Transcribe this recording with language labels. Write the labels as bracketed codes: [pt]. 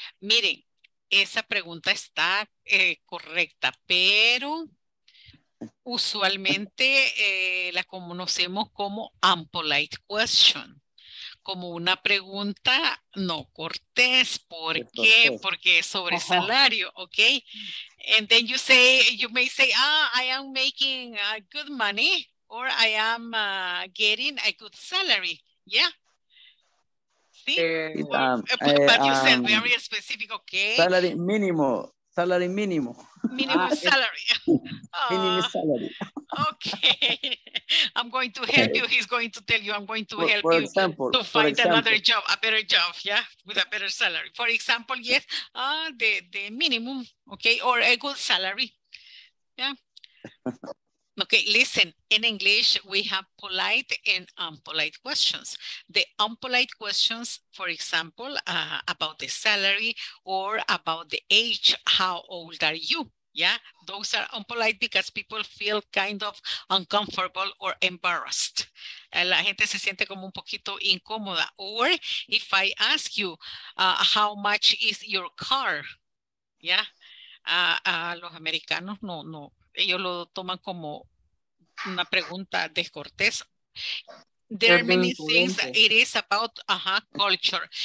[es] Miren, esa pregunta está correcta, pero usualmente la conocemos como impolite question, como una pregunta no cortés. ¿Por qué? Porque es sobre salario, ¿ok? [en] And then you may say, I am making good money or I am getting a good salary. Yeah. ¿Sí? But you said very specific, ¿ok? [es] Salary mínimo. salary mínimo. [en] Minimum salary. Minimum salary. Okay. I'm going to help you. He's going to tell you. I'm going to help you example, to find example. Another job, a better job, yeah, with a better salary. For example, yes, the minimum, okay, or a good salary, yeah. Okay, listen, in English, we have polite and impolite questions. The impolite questions, for example, about the salary or about the age, how old are you? Yeah, those are impolite because people feel kind of uncomfortable or embarrassed. [es] La gente se siente como un poquito incómoda. [en] Or if I ask you, how much is your car? [es] Yeah, los americanos no, ellos lo toman como una pregunta descortés. [en] There are many things it is about culture.